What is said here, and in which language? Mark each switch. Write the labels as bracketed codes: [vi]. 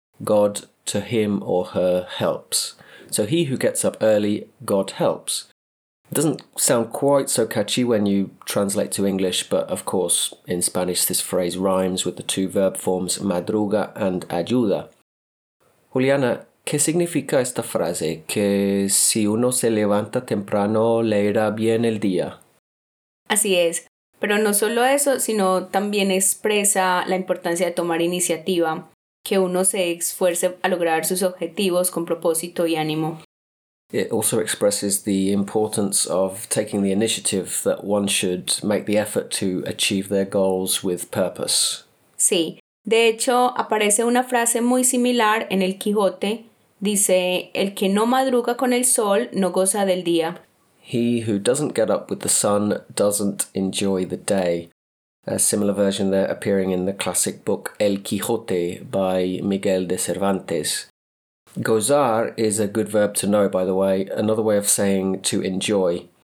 [en] God, to him or her, helps. So, he who gets up early, God helps. It doesn't sound quite so catchy when you translate to English, but of course, in Spanish, this phrase rhymes with the two verb forms madruga and ayuda. [es] Juliana, ¿qué significa esta frase? Que si uno se levanta temprano, le irá bien el día. Así es. Pero no solo eso, sino también expresa la importancia de tomar iniciativa, que uno se esfuerce a lograr sus objetivos con propósito y ánimo. [en] It also expresses the importance of taking the initiative, that one should make the effort to achieve their goals with purpose. [es] Sí. De hecho, aparece una frase muy similar en El Quijote. Dice, el que no madruga con el sol no goza del día. [en] He who doesn't get up with the sun doesn't enjoy the day. A similar version there appearing in the classic book El Quijote by Miguel de Cervantes. Gozar is a good verb to know, by the way, another way of saying to enjoy.